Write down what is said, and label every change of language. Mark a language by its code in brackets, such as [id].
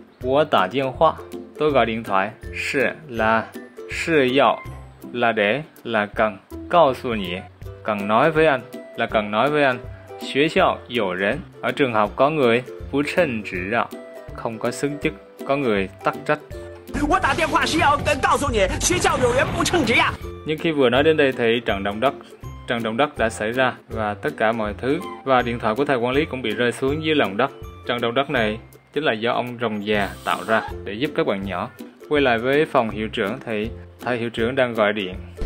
[zh] 我打电话, [vi] tôi gọi điện thoại, 是, là, 是要, là để, là cần, [zh] 告诉你, [vi] cần nói với anh, là cần nói với anh, [zh] 学校有人, [vi] ở trường học có người, [zh] 不称职啊, [vi] không có xứng chức, có người tắc trách. [zh] 我打电话是要告诉你学校有人不称职呀. [vi] Nhưng khi vừa nói đến đây thì trận động đất đã xảy ra và tất cả mọi thứ, và điện thoại của thầy quản lý cũng bị rơi xuống dưới lòng đất. Trận động đất này chính là do ông rồng già tạo ra để giúp các bạn nhỏ. Quay lại với phòng hiệu trưởng thì thầy hiệu trưởng đang gọi điện.